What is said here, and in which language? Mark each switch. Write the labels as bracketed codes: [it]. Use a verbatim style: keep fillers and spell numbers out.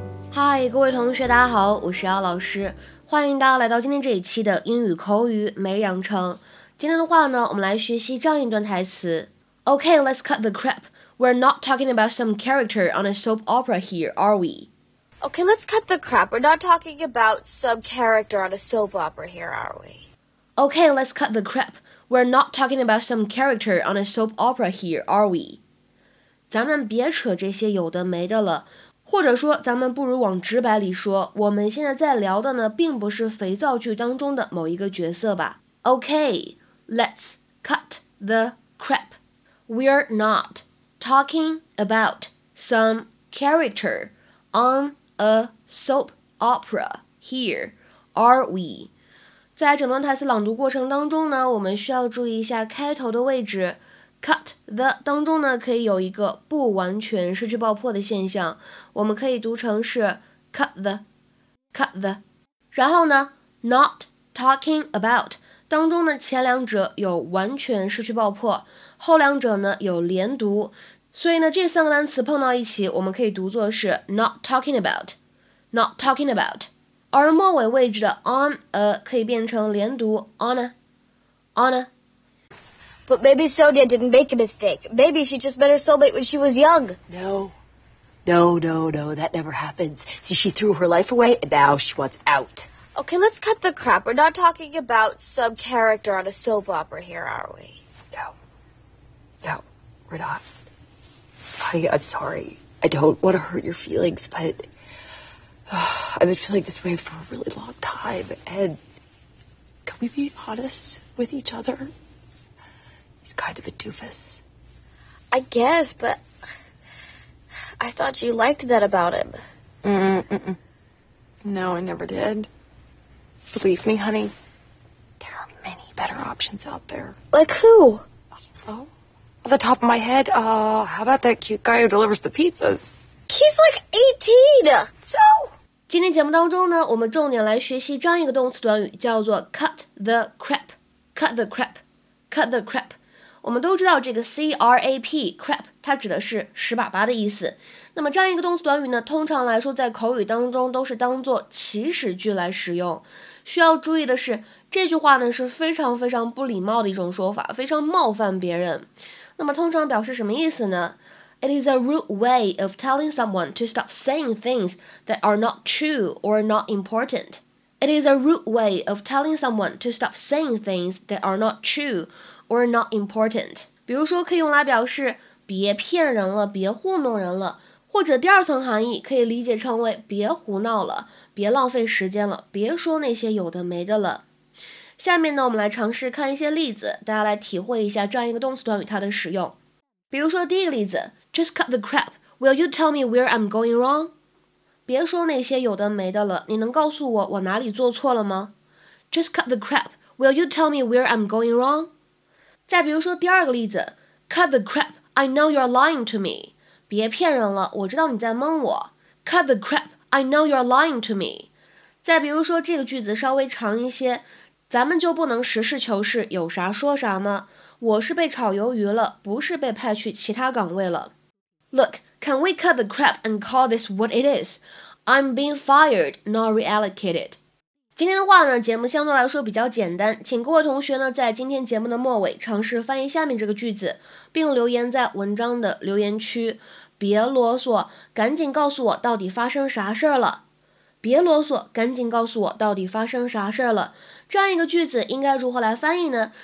[zh] 嗨，各位同学，大家好，我是姚老师，欢迎大家来到今天这一期的英语口语每日养成。今天的话呢，我们来学习这样一段台词。 [en] Okay, let's cut the crap. We're not talking about some character on a soap opera here, are we? Okay, let's cut the crap. We're not talking about some character on a soap opera here, are we? Okay, let's cut the crap. We're not talking about some character on a soap opera here, are we? [zh] 咱们别扯这些有的没的了。或者说咱们不如往直白里说，我们现在在聊的呢并不是肥皂剧当中的某一个角色吧。 [en] Okay, let's cut the crap. We're not talking about some character on a soap opera here, are we? [zh] 在整段台词朗读过程当中呢，我们需要注意一下开头的位置。 Cut the 当中呢，可以有一个不完全失去爆破的现象，我们可以读成是 [en] cut the cut the。 [zh] 然后呢 ， [en] not talking about [zh] 当中呢，前两者有完全失去爆破，后两者呢有连读，所以呢，这三个单词碰到一起，我们可以读作是 [en] not talking about not talking about。 [zh] 而末尾位置的 on a 可以变成连读 [en] on a on a。 But maybe Sonia didn't make a mistake. Maybe she just met her soulmate when she was young. No, no, no, no, that never happens. See, she threw her life away, and now she wants out. Okay, let's cut the crap. We're not talking about some character on a soap opera here, are we? No, no, we're not. I, I'm sorry. I don't want to hurt your feelings, but uh, I've been feeling this way for a really long time. And can we be honest with each other? He's kind of a doofus. I guess, but I thought you liked that about him. Mm-mm, mm-mm. No, I never did. Believe me, honey, there are many better options out there. Like who? Oh, off the top of my head, uh, how about that cute guy who delivers the pizzas? He's like eighteen! So... [zh] 今天节目当中呢，我们重点来学习这样一个动词短语，叫做 [en] cut the crap. Cut the crap. Cut the crap. [zh] 我们都知道这个 crap crap 它指的是屎粑粑的意思。那么这样一个动词短语呢，通常来说在口语当中都是当做祈使句来使用。需要注意的是，这句话呢是非常非常不礼貌的一种说法，非常冒犯别人。那么通常表示什么意思呢？ [en] It is a rude way of telling someone to stop saying things that are not true or not important. It is a rude way of telling someone to stop saying things that are not true. Or not important. [zh] 比如说可以用来表示别骗人了，别糊弄人了，或者第二层含义可以理解成为别胡闹了，别浪费时间了，别说那些有的没的了。下面呢，我们来尝试看一些例子，大家来体会一下这样一个动词短语它的使用。比如说第一个例子 ， [en] Just cut the crap. Will you tell me where I'm going wrong? [zh] 别说那些有的没的了，你能告诉我我哪里做错了吗 ？ [en] Just cut the crap. Will you tell me where I'm going wrong? [zh] 再比如说第二个例子 [en] Cut the crap, I know you're lying to me [zh] 别骗人了，我知道你在蒙我 [en] Cut the crap, I know you're lying to me [zh] 再比如说这个句子稍微长一些，咱们就不能实事求是，有啥说啥吗？我是被炒鱿鱼了，不是被派去其他岗位了 [en] Look, can we cut the crap and call this what it is? I'm being fired, not reallocated. [zh] 今天的话呢，节目相对来说比较简单，请各位同学呢，在今天节目的末尾尝试翻译下面这个句子，并留言在文章的留言区。别啰嗦，赶紧告诉我到底发生啥事儿了。别啰嗦，赶紧告诉我到底发生啥事儿了。这样一个句子应该如何来翻译呢？